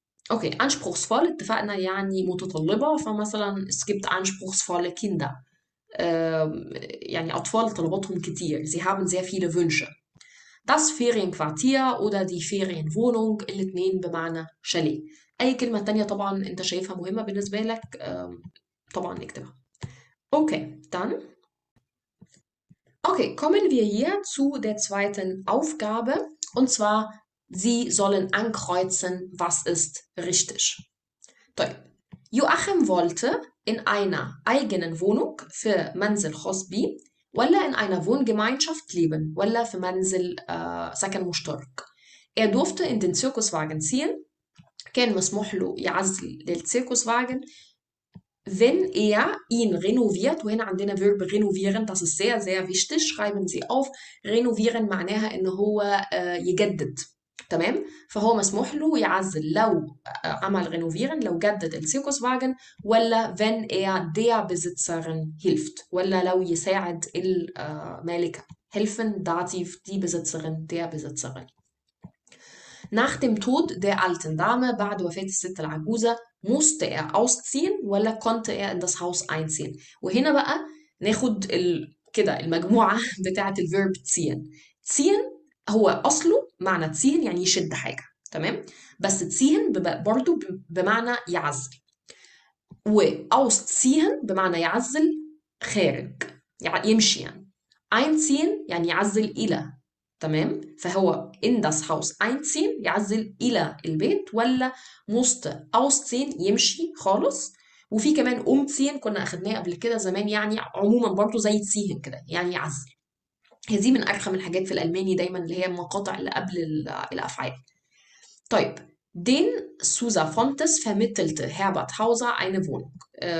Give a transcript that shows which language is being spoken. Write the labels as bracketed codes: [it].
[de] اوكي anspruchsvoll [ar] اتفقنا يعني متطلبة، [de] فمثلا es gibt anspruchsvolle Kinder، [ar] يعني أطفال طلباتهم كتير، [de] sie haben sehr viele Wünsche. das Ferienquartier oder die Ferienwohnung [ar] الاتنين بمعنى شاليه. أي كلمة تانية طبعا أنت شايفها مهمة بالنسبة لك طبعا نكتبها. [de] اوكي dann اوكي kommen wir hier zu der zweiten Aufgabe und zwar Sie sollen ankreuzen, was ist richtig. [ar] طيب. [de] Joachim wollte in einer eigenen Wohnung für Mansel Hosbi ولا in einer Wohngemeinschaft leben [ar] ولا في منزل سكن مشترك. [de] Er durfte in den Zirkuswagen ziehen. [ar] كان مسموح له يعزل للزيركوسواجن. [de] Wenn er ihn renoviert, [ar] وهنا عندنا [de] Verb renovieren, das ist sehr, sehr wichtig, schreiben Sie auf. [ar] Renovieren معناها إن هو يجدد. تمام؟ فهو مسموح له يعزل لو عمل renovieren، لو جدد الزيركوسواجن، ولا [de] wenn er der Besitzerin hilft، [ar] ولا لو يساعد المالكة. [de] helfen, dativ, die Besitzerin, der Besitzerin. Nach dem Tod der alten Dame, [ar] بعد وفاة الست العجوزة، [de] musste er ausziehen ولا konnte er in das Haus einziehen. [ar] وهنا بقى ناخد كده المجموعة بتاعت الverb ziehen. ziehen هو أصله معنى ziehen يعني يشد حاجة، تمام؟ بس ziehen برضو بمعنى يعزل. و ausziehen بمعنى يعزل خارج، يعني يمشي يعني. einziehen يعني يعزل إلى، تمام؟ فهو [de] in das Haus einziehen [ar] يعزل إلى البيت، ولا [de] musste ausziehen [ar] يمشي خالص. وفي كمان umziehen كنا أخدناه قبل كده زمان، يعني عموما برضو زي ziehen كده يعني يعزل. هذه من أرخم الحاجات في الألماني دايما، اللي هي المقاطع اللي قبل الأفعال. [de] طيب den Susa Fontes vermittelte Herbert Hauser eine Wohnung.